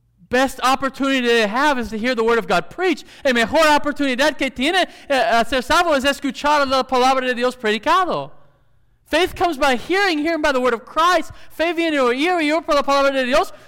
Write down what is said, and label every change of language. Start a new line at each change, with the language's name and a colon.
English: Best opportunity they have is to hear the word of God preach.
Spanish: La mejor oportunidad que tiene a ser salvo es escuchar la palabra de Dios predicado.
English: Faith comes by hearing, hearing by the word of Christ.
Spanish: Fe viene de oír y oír por la palabra de Dios.